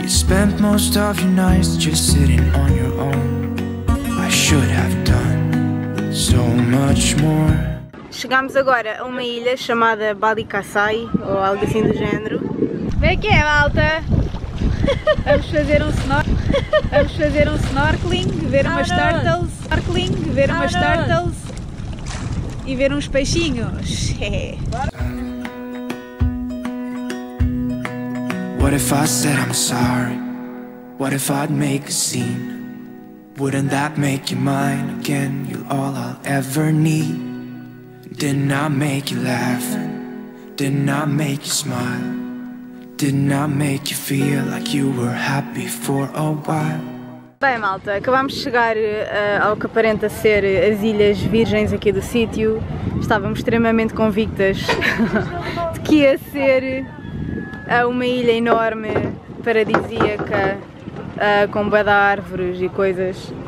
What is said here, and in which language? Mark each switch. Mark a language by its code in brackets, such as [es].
[en] You spent most of your nights just sitting on your own. I should have done so much more. [pt] Chegámos agora a uma ilha chamada Bali Kasai, ou algo assim do género. Vem aqui, malta! Vamos fazer um snorkeling, ver umas turtles, snorkeling, ver umas turtles e ver uns peixinhos. [en] What if I said I'm sorry? What if I'd make a scene? Wouldn't that make you mine again? You're all I'll ever need. Didn't I make you laugh? Didn't I make you smile? Didn't I make you feel like you were happy for a while? [pt] Bem, malta, acabámos de chegar ao que aparenta ser as Ilhas Virgens aqui do sítio. Estávamos extremamente convictas de que ia ser uma ilha enorme, paradisíaca, com bué de árvores e coisas.